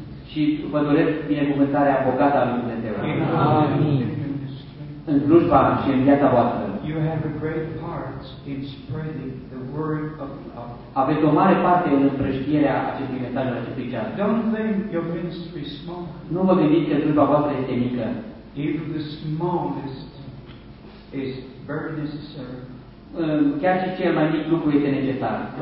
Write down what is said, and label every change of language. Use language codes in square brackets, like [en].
[ro] Și vă doresc binecuvântarea bogată a lui Dumnezeu. Amin. În slujba și în viața voastră. [en] You have a great part in spreading the word of God. [ro] Aveți o mare parte în împrăștierea acestui mesaj al acestui ceas. [en] Don't think your ministry is small. [ro] Nu vă gândiți că slujba voastră este mică. [en] Even the smallest is very necessary. [ro] Chiar și cel mai mic lucru este necesar.